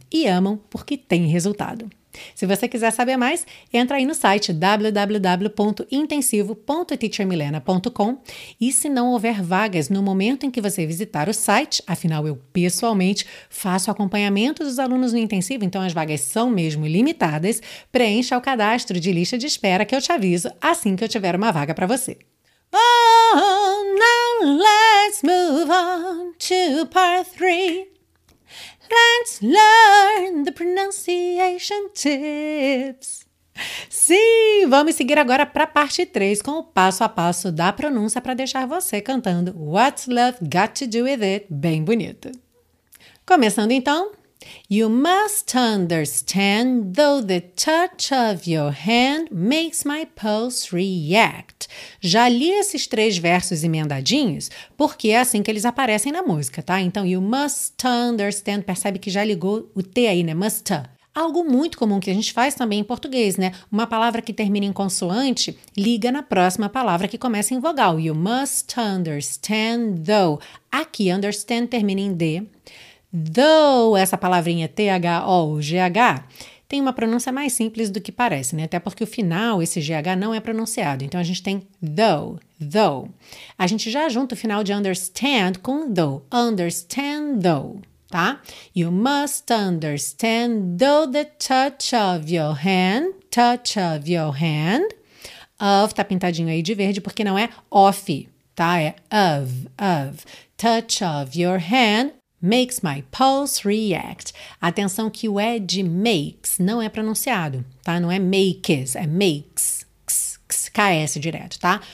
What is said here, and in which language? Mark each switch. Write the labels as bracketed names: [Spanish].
[Portuguese] E amam porque têm resultado. Se você quiser saber mais, entra aí no site www.intensivo.teachermilena.com e se não houver vagas no momento em que você visitar o site, afinal eu pessoalmente faço acompanhamento dos alunos no intensivo, então as vagas são mesmo limitadas, preencha o cadastro de lista de espera que eu te aviso assim que eu tiver uma vaga para você. [English] Oh, now let's move on to part 3. Let's learn the pronunciation tips. [Portuguese] Sim, vamos seguir agora para a parte 3 com o passo a passo da pronúncia para deixar você cantando What's Love Got to Do With It bem bonito. Começando então. [English] You must understand, though the touch of your hand makes my pulse react. [Portuguese] Já li esses três versos emendadinhos, porque é assim que eles aparecem na música, tá? Então, [English] you must understand, [Portuguese] percebe que já ligou o T aí, né? Must. Algo muito comum que a gente faz também em português, né? Uma palavra que termina em consoante liga na próxima palavra que começa em vogal. [English] You must understand, though. [Portuguese] Aqui, understand termina em D. Though, essa palavrinha T-H-O-G-H, tem uma pronúncia mais simples do que parece, né? Até porque o final, esse G-H, não é pronunciado. Então, a gente tem though, though. A gente já junta o final de understand com though. [English] Understand, though, tá? You must understand, though the touch of your hand, touch of your hand. [Portuguese] Of, tá pintadinho aí de verde, porque não é off, tá? [English] É of. Touch of your hand. Makes my pulse react. [Portuguese] Atenção que o ed makes não é pronunciado, tá? Não é makes, é makes. KS direto, tá?